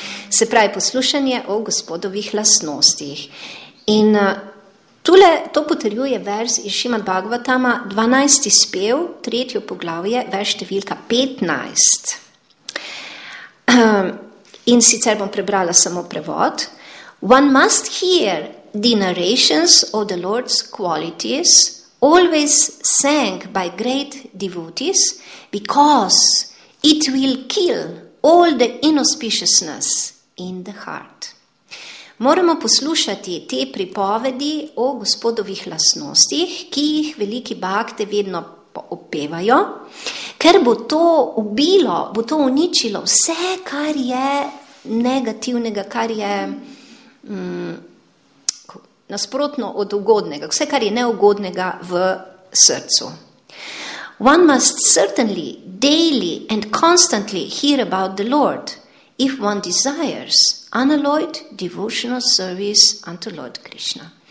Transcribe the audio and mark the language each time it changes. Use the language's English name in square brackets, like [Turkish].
[Slovenian] Se pravi poslušanje o gospodovih lastnostih. In tule to potrjuje verz iz Šrimad Bhagavatama, 12. spev, 3. poglavje, verz številka 15. In sicer bom prebrala samo prevod. [English] One must hear the narrations of the Lord's qualities, always sang by great devotees, because it will kill all the inauspiciousness in the heart. [Slovenian] Moramo poslušati te pripovedi o gospodovih lastnostih, ki jih veliki bhakte vedno opevajo, ker bo to ubilo, bo to uničilo vse, kar je negativnega, kar je nasprotno od ugodnega, vse, kar je neugodnega v srcu. [English] One must certainly daily and constantly hear about the Lord, if one desires unalloyed devotional service unto Lord Krishna.